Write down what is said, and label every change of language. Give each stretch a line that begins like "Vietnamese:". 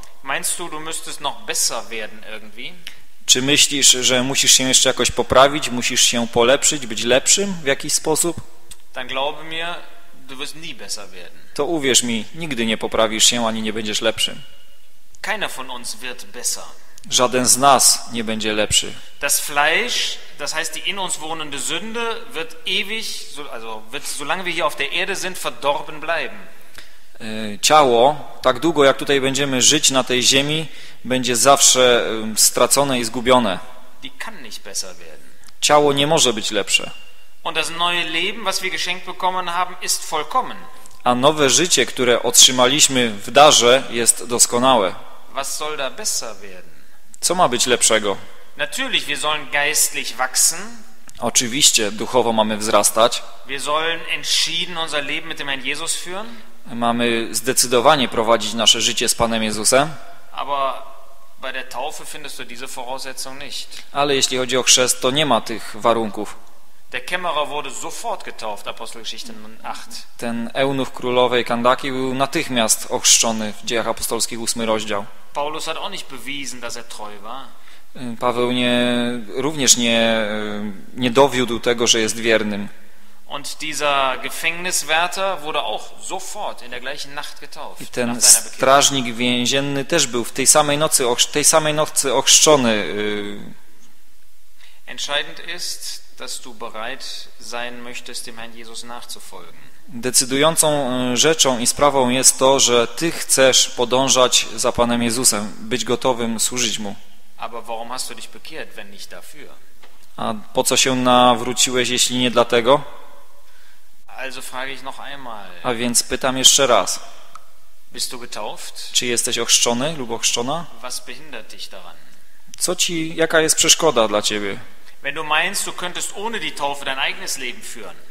German: Meinst du müsstest noch besser werden irgendwie?
Polish: Czy myślisz, że musisz się jeszcze jakoś poprawić, musisz się polepszyć, być lepszym w jakiś sposób?
German: Dann glaub mir, du wirst nie besser werden.
Polish: To uwierz mi, nigdy nie poprawisz się ani nie będziesz lepszym.
German: Keiner von uns wird besser.
Polish: Żaden z nas nie będzie lepszy.
German: Das Fleisch, das heißt die in uns wohnende Sünde, wird ewig, also wird solange wir hier auf der Erde sind, verdorben bleiben.
Polish: Ciało, tak długo jak tutaj będziemy żyć na tej ziemi, będzie zawsze stracone i zgubione.
German: Die kann nicht besser werden.
Polish: Ciało nie może być lepsze.
German: Und das neue Leben, was wir geschenkt bekommen haben, ist vollkommen.
Polish: A nowe życie, które otrzymaliśmy w darze, jest doskonałe.
German: Was soll da besser werden?
Polish: Co ma być lepszego?
German: Natürlich, wir sollen geistlich wachsen.
Polish: Oczywiście, duchowo mamy wzrastać.
German: Wir sollen entschieden unser Leben mit dem Herrn Jesus führen.
Polish: Mamy zdecydowanie prowadzić nasze życie z Panem Jezusem.
German: Aber bei der Taufe findest du diese Voraussetzung nicht.
Polish: Ale jeśli chodzi o chrzest, to nie ma tych warunków.
German: Der Kämmerer wurde sofort getauft, Apostelgeschichte 8.
Polish: Ten eunuch królowej Kandaki był natychmiast ochrzczony w Dziejach Apostolskich 8 rozdział.
German: Paulus hat auch nicht bewiesen, dass er treu war.
Polish: Paweł również nie dowiódł tego, że jest wiernym.
German: Und dieser Gefängniswärter wurde auch sofort in der gleichen Nacht getauft.
Polish: I ten strażnik więzienny też był w tej samej nocy ochrzczony.
German: Entscheidend ist, dass du bereit sein möchtest, dem Herrn Jesus nachzufolgen.
Polish: Decydującą rzeczą i sprawą jest to, że ty chcesz podążać za Panem Jezusem, być gotowym służyć Mu.
German: Aber warum hast du dich bekehrt, wenn nicht dafür?
Polish: A po co się nawróciłeś, jeśli nie dlatego?
German: Also frage ich noch einmal.
Polish: A więc pytam jeszcze raz.
German: Bist du getauft?
Polish: Czy jesteś ochrzczony lub ochrzczona?
German: Was behindert dich daran?
Polish: Co ci, jaka jest przeszkoda dla ciebie?
German: Wenn du meinst, du könntest ohne die Taufe dein eigenes Leben führen.